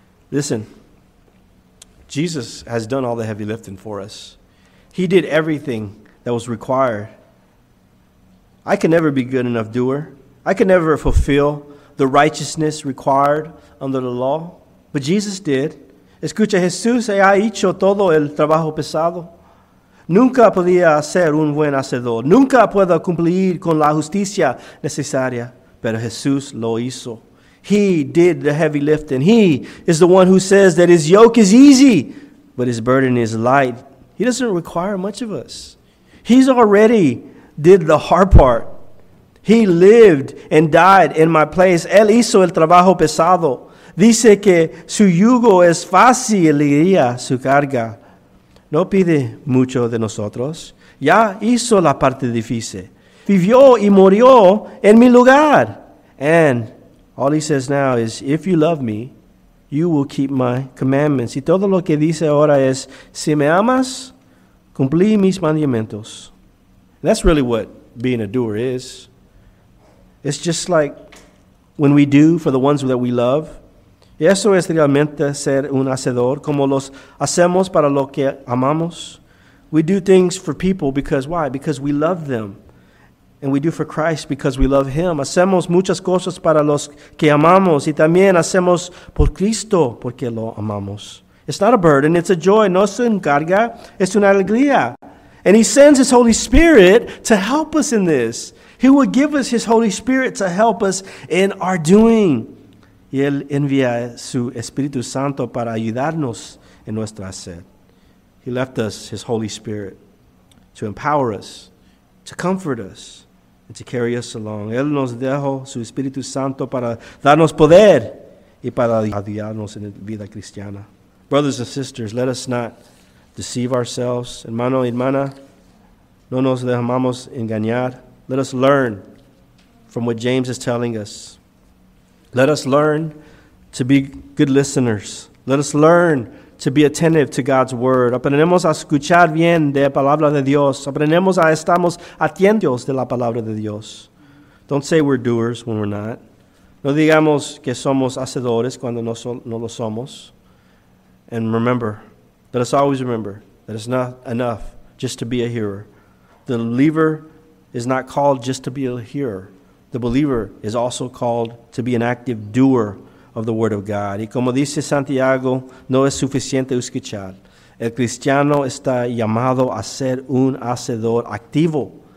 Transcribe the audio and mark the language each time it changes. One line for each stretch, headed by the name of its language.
English: Listen, Jesus has done all the heavy lifting for us. He did everything that was required. I can never be good enough doer. I can never fulfill the righteousness required under the law. But Jesus did.
Spanish: Escucha, Jesús ha hecho todo el trabajo pesado. Nunca podía ser un buen hacedor. Nunca puedo cumplir con la justicia necesaria. Pero Jesús lo hizo.
English: He did the heavy lifting. He is the one who says that his yoke is easy, but his burden is light. He doesn't require much of us. He's already did the hard part. He lived and died in my place.
Spanish: Él hizo el trabajo pesado. Dice que su yugo es fácil y ligera su carga. No pide mucho de nosotros. Ya hizo la parte difícil. Vivió y murió en mi lugar.
English: And all he says now is, if you love me, you will keep my commandments.
Spanish: Y todo lo que dice ahora es, si me amas, cumplí mis mandamientos.
English: That's really what being a doer is. It's just like when we do for the ones that we love.
Spanish: Y eso es realmente ser un hacedor, como los hacemos para lo que amamos.
English: We do things for people because, why? Because we love them. And we do for Christ because we love him.
Spanish: Hacemos muchas cosas para los que amamos. Y también hacemos por Cristo porque lo amamos.
English: It's not a burden, it's a joy.
Spanish: No es una carga, es una alegría.
English: And he sends his Holy Spirit to help us in this. He will give us his Holy Spirit to help us in our doing.
Spanish: Y él envía su Espíritu Santo para ayudarnos en nuestro hacer.
English: He left us his Holy Spirit to empower us, to comfort us, and to carry us along.
Spanish: Él nos dejó su Espíritu Santo para darnos poder y para ayudarnos en la vida cristiana.
English: Brothers and sisters, let us not deceive ourselves.
Spanish: Hermano y hermana, no nos dejamos engañar.
English: Let us learn from what James is telling us. Let us learn to be good listeners. Let us learn to be attentive to God's word.
Spanish: Aprendemos a escuchar bien de la palabra de Dios. Aprendemos a estamos atentos de la palabra de Dios.
English: Don't say we're doers when we're not.
Spanish: No digamos que somos hacedores cuando no lo somos.
English: And remember, let us always remember that it's not enough just to be a hearer. The believer is not called just to be a hearer. The believer is also called to be an active doer of the word of God.
Spanish: Y como dice Santiago, no es suficiente escuchar. El cristiano está llamado a ser un hacedor activo